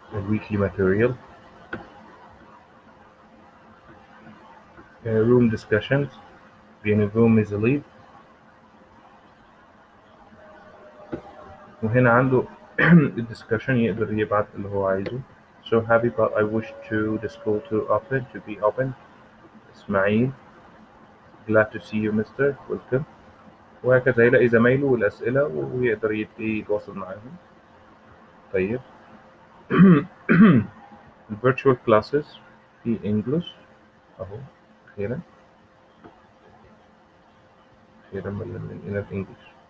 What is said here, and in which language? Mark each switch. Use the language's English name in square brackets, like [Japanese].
[English] Weekly material. Room discussions. Bienvenue, Miss Lee. [Arabic] وهنا عنده الديسكشن، يقدر يبعت اللي هو عايزه. [English] So happy, but I wish to the school to open, to be open. Ismail, glad to see you, Mister. Welcome. [Arabic] وهكذا يلاقي زمايله والأسئلة، ويقدر يتواصل معاهم. طيب، [English] virtual classes [Arabic] في English أهو. أخيرا بدأنا في English.